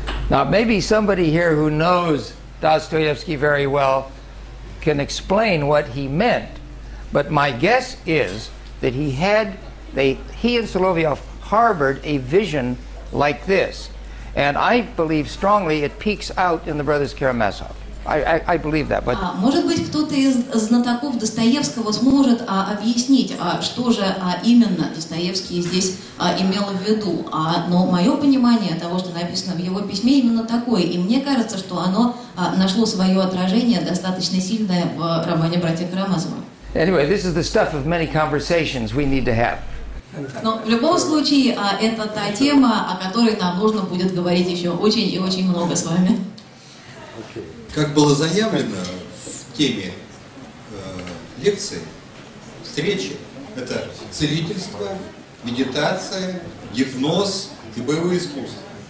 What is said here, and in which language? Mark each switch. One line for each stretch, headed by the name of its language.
English: Now, maybe somebody here who knows Dostoevsky very well can explain what he meant, but my guess is that he and Solovyov harbored a vision like this, and I believe strongly it peaks out in the Brothers Karamazov. I believe that. But
Russian: может быть, кто-то из знатоков Достоевского сможет объяснить, что же именно Достоевский здесь имел в виду. Но мое понимание того, что написано в его письме, именно такое, и мне кажется, что оно нашло свое отражение достаточно сильное в романе «Братья Карамазовы».
English: Anyway, this is the stuff of many conversations we need to have.
Russian: Но в любом случае, это та тема, о которой нам нужно будет говорить еще очень и очень много с вами. Как было заявлено в теме лекции, встречи, это целительство, медитация, гипноз и боевые искусства.